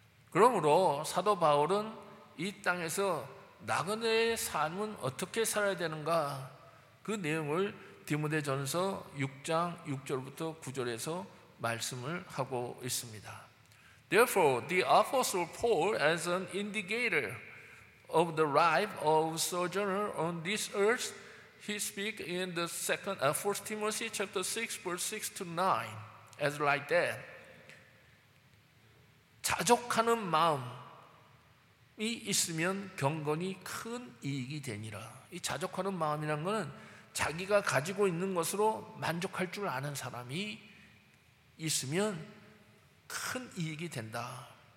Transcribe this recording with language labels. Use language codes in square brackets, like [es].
[ko] 그러므로 사도 바울은 이 땅에서 나그네의 삶은 어떻게 살아야 되는가 그 내용을 디모데전서 6장 6절부터 9절에서 말씀을 하고 있습니다. [en] Therefore, the apostle Paul, as an indicator of the life of sojourner on this earth, he speak in the second, 1 Timothy chapter 6, verse 6 to 9, as like that. [ko] 자족하는 마음이 있으면 경건이 큰 이익이 되니라. 이 자족하는 마음이란 것은 자기가 가지고 있는 것으로 만족할 줄 아는 사람이 있으면 큰 이익이 된다.